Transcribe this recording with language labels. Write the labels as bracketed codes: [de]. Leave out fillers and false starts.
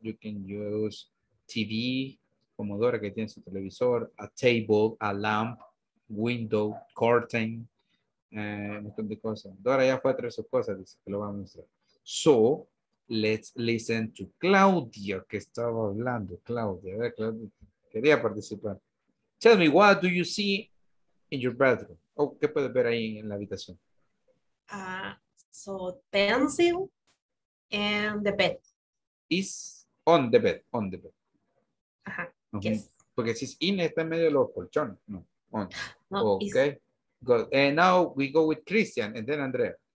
[en] You can use TV, comodora [es] que tiene su televisor. [en] A table, a lamp, window, curtain. [es] Un montón de cosas. Dora ya fue a traer sus cosas, dice que lo va a mostrar. [en] So, let's listen to Claudia, [es] que estaba hablando. Claudia, a ver, Claudia, quería participar. [en] Tell me, what do you see in your bedroom? [es] Oh, ¿qué puedes ver ahí en la habitación? [en] So pencil and the bed. Is on the bed, on the bed. Ajá. Uh-huh. Yes. [es] Porque si es in está en medio de los colchones, no. On. No, [en] okay. Good. And now we go with Christian and then Andrea.